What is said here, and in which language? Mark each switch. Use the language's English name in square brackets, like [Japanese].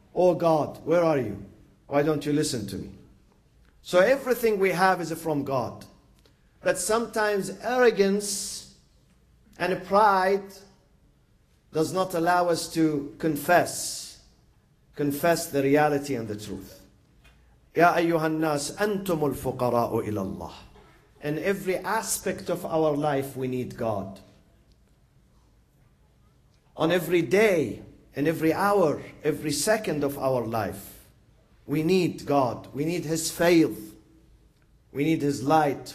[English] Oh God, where are you? Why don't you listen to me? So everything we have is from God. But sometimes arrogance and pride does not allow us to confess the reality and the truth. [Arabic] يا أيها الناس أنتم الفقراء إلى الله. [English] In every aspect of our life we need God. On every day, in every hour, every second of our life, we need God. We need His faith. We need His light.